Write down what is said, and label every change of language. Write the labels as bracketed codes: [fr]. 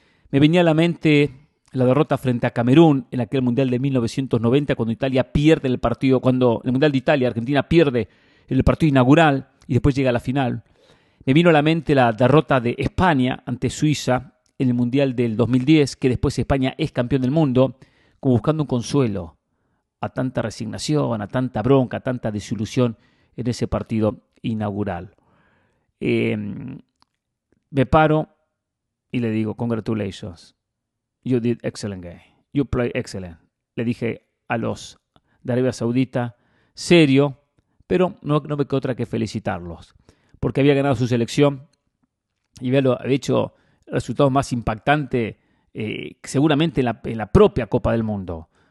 [es] Me venía a la mente la derrota frente a Camerún en aquel Mundial de 1990, cuando el Mundial de Italia, Argentina pierde el partido inaugural y después llega a la final. Me vino a la mente la derrota de España ante Suiza en el Mundial del 2010, que después España es campeón del mundo, como buscando un consuelo. a tanta resignación, a tanta bronca, a tanta desilusión en ese partido inaugural. Me paro y le digo, [en] congratulations, you did excellent game, you play excellent. [es] Le dije a los de Arabia Saudita, serio, pero no me quedó otra que felicitarlos, porque había ganado su selección y había hecho resultados más impactantes seguramente en la propia Copa del Mundo.